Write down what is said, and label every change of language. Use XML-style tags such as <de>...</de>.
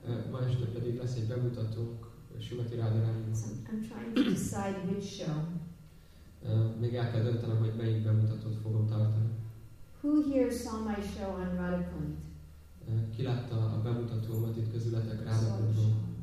<hu>Ma este pedig lesz egy bemutatók.</hu> <en>I'm trying to decide which show.</en> <hu>Még el kell döntenem, hogy melyik bemutatót fogom tartani.</hu> <en>Who here saw my show on Radhapont?</en> <hu>Ki látta a bemutatómat itt közületek Radhapontról?</hu>